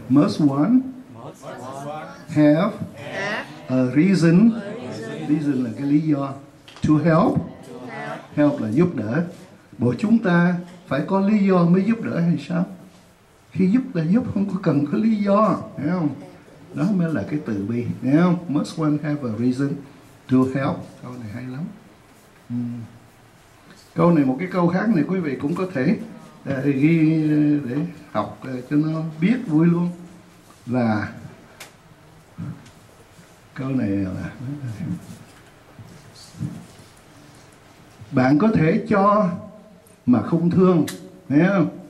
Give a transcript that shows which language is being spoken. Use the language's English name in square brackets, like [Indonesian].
[English] Must one have a reason. [Vietnamese] Reason là cái lý do. [English] To help. [Vietnamese] Help là giúp đỡ. Bộ chúng ta phải có lý do mới giúp đỡ hay sao? Khi giúp là giúp, không có cần có lý do, thấy không? Đó mới là cái từ bi, thấy không? [English] Must one have a reason to help. [Vietnamese] Câu này hay lắm. Câu này, một cái câu khác này quý vị cũng có thể ghi để học cho nó biết vui luôn. Là câu này là bạn có thể cho mà không thương, thấy không?